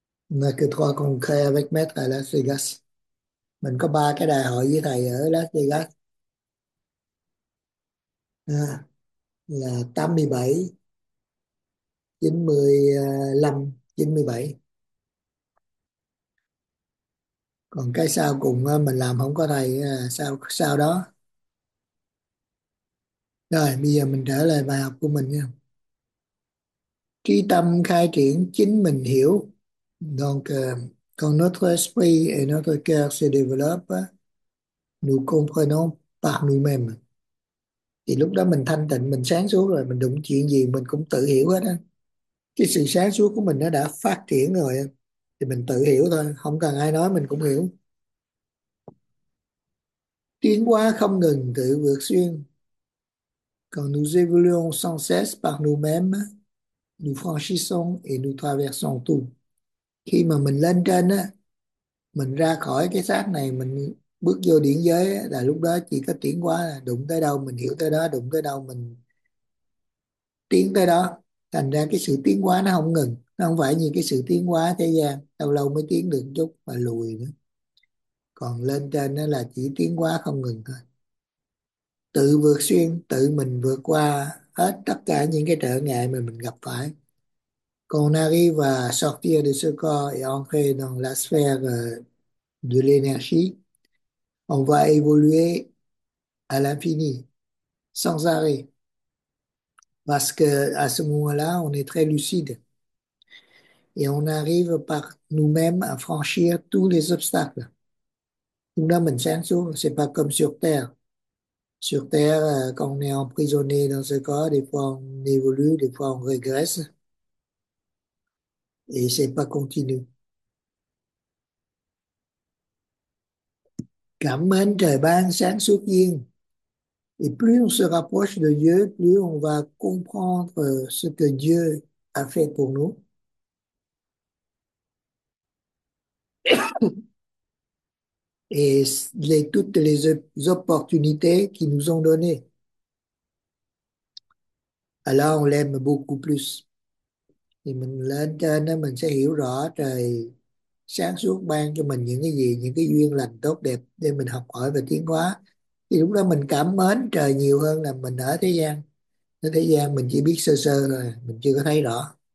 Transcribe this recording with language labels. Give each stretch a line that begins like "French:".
French: On n'a que trois congrès avec maître à Las Vegas.
Vietnamese: Mình có ba cái đại hội với thầy ở Las Vegas. À, là 87, 95, 97. Còn cái sau cùng mình làm không có thầy sao sao đó. Rồi bây giờ mình trở lại bài học của mình nha. Trí tâm khai triển chính mình hiểu.
French: Donc, quand notre esprit et notre cœur se développent, nous comprenons par nous-mêmes.
Vietnamese: Thì lúc đó mình thanh tịnh, mình sáng suốt rồi, mình đụng chuyện gì mình cũng tự hiểu hết á. Cái sự sáng suốt của mình nó đã phát triển rồi thì mình tự hiểu thôi, không cần ai nói mình cũng hiểu. Tiến hóa không ngừng tự vượt xuyên.
French: Còn nous évoluons sans cesse par nous-mêmes, nous franchissons et nous traversons tout.
Vietnamese: Khi mà mình lên trên á, mình ra khỏi cái xác này, mình bước vô điển giới á, là lúc đó chỉ có tiến hóa, là đụng tới đâu mình hiểu tới đó, đụng tới đâu mình tiến tới đó. Thành ra cái sự tiến hóa nó không ngừng, nó không phải như cái sự tiến hóa thế gian lâu lâu mới tiến được chút mà lùi nữa. Còn lên trên nó là chỉ tiến hóa không ngừng thôi, tự vượt xuyên, tự mình vượt qua hết tất cả những cái trở ngại mà mình gặp phải.
French: Còn Nari và sortir de ce corps et entrer dans la sphère de l'énergie, on va évoluer à l'infini, sans arrêt. Parce que à ce moment-là, on est très lucide et on arrive par nous-mêmes à franchir tous les obstacles. Donc là,
Vietnamese: mình sáng suốt,
French: c'est pas comme sur Terre. Sur Terre, quand on est emprisonné dans ce corps, des fois on évolue, des fois on régresse et c'est pas continu.
Vietnamese: Cảm ơn trời ban sáng suốt duyên.
French: Et plus on se rapproche de Dieu, plus on va comprendre ce que Dieu a fait pour nous. Et toutes les opportunités qu'ils nous ont données. Alors on l'aime beaucoup plus.
Vietnamese: Thì mình lên trên đó mình sẽ hiểu rõ trời sáng suốt ban cho mình những cái gì, những cái duyên lành tốt đẹp để mình học hỏi và tiến hóa. Thì lúc đó mình cảm mến trời nhiều hơn là mình ở thế gian. Ở thế gian mình chỉ biết sơ sơ rồi, mình chưa có thấy rõ.